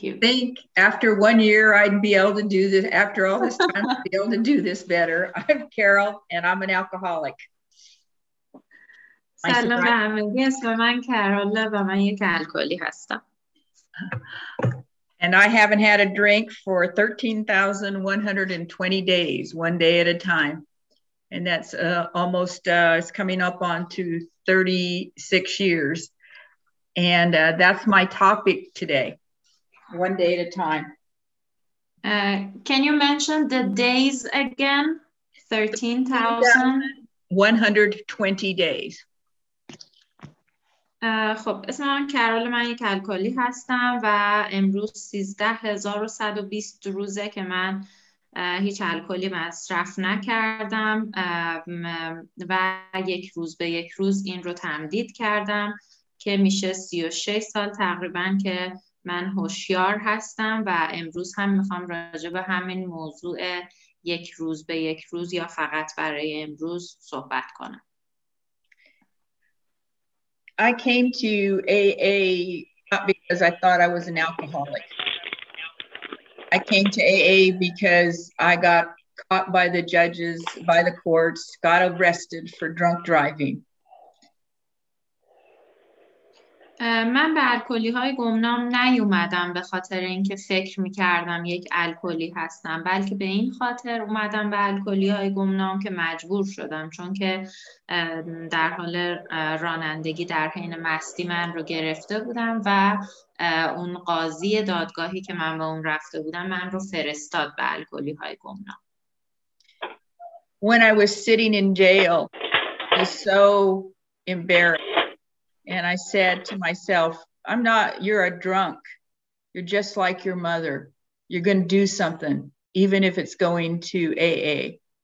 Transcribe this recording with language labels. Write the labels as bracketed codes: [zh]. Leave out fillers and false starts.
[en] You would think after 1 year I'd be able to do this, after all this time, I'd be able to do this better. I'm Carol and I'm an alcoholic. [fa] سلام به همگی، اسم من کارولا و من یک الکلی هستم. [en] And I haven't had a drink for 13,120 days, one day at a time. And that's it's coming up on to 36 years. And that's my topic today, one day at a time. Can you mention the days again? 13,120 days. [fa] خب اسم من کارول، من یک الکلی هستم و امروز 13120 روزه که من هیچ الکلی مصرف نکردم و یک روز به یک روز این رو تمدید کردم که میشه 36 سال تقریبا که من هوشیار هستم و امروز هم میخوام راجع به همین موضوع یک روز به یک روز یا فقط برای امروز صحبت کنم. [en] I came to AA not because I thought I was an alcoholic. I came to AA because I got caught by the judges, by the courts, got arrested for drunk driving. [fa] من به الکلی‌های گمنام نیومدم به خاطر اینکه فکر می‌کردم یک الکلی هستم، بلکه به این خاطر اومدم به الکلی‌های گمنام که مجبور شدم، چون که در حال رانندگی در حین مستی من رو گرفته بودم و اون قاضی دادگاهی که من به اون رفته بودم من رو فرستاد به الکلی‌های گمنام. [en] When I was sitting in jail, I was so embarrassed. And I said to myself, I'm not, you're a drunk. You're just like your mother. You're going to do something, even if it's going to AA.